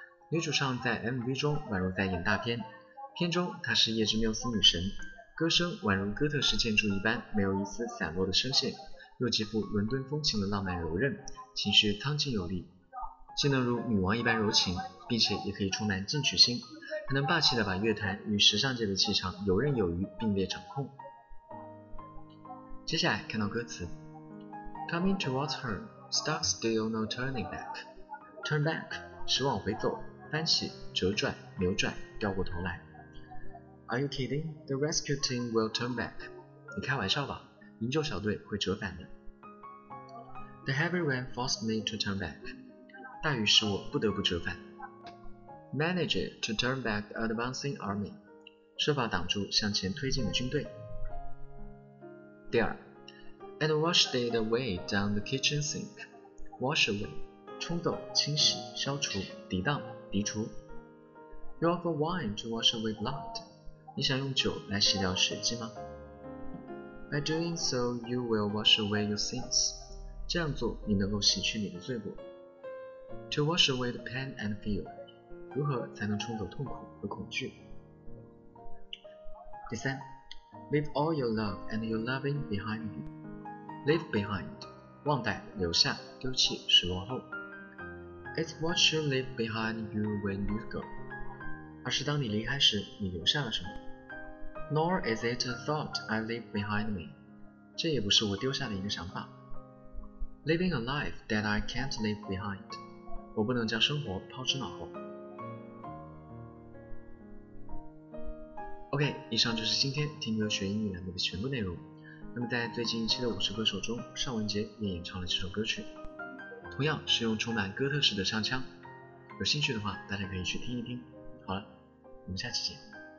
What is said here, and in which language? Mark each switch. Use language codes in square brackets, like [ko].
[zh] 女主唱在 MV 中宛如在演大片，片中她是夜之缪斯女神，歌声宛如哥特式建筑一般，没有一丝散落的声线，又极富伦敦风情的浪漫柔韧，情绪苍劲有力，既能如女王一般柔情，并且也可以充满进取心，还能霸气地把乐坛与时尚界的气场游刃有余并列掌控。接下来看到歌词 [en] Coming towards her, stuck still no turning back. [zh] Turn back, 是往回走，翻起，折转，扭转，掉过头来。 [en] Are you kidding? The rescue team will turn back. [zh] 你开玩笑吧，营救小队会折返的。 [en] The heavy rain forced me to turn back. [zh] 大雨使我不得不折返。 [en] Manage to turn back the advancing army. [zh] 设法挡住向前推进的军队。 [en] 第二 And wash it away down the kitchen sink. [zh] Wash away, 冲走、清洗、消除、涤荡、涤除。 [en] You offer wine to wash away blood. [zh] 你想用酒来洗掉血迹吗？ [en] By doing so, you will wash away your sins. [zh] 这样做你能够洗去你的罪过。 [en] To wash away the pain and fear. [zh] 如何才能冲走痛苦和恐惧？ [en] 第三 Leave all your love and your loving behind you. [zh] Leave behind, 忘带、留下、丢弃、失落后。 [en] It's what you leave behind you when you go. [zh] 而是当你离开时你留下了什么。 [en] Nor is it a thought I leave behind me. [zh] 这也不是我丢下的一个想法。 [en] Living a life that I can't leave behind. [zh] 我不能将生活抛之脑后。 OK, 以上就是今天听歌学英语栏目的全部内容。那么在最近一期的50歌手中，尚雯婕也演唱了这首歌曲，同样是用充满哥特式的唱腔，有兴趣的话大家可以去听一听。好了，我们下期见。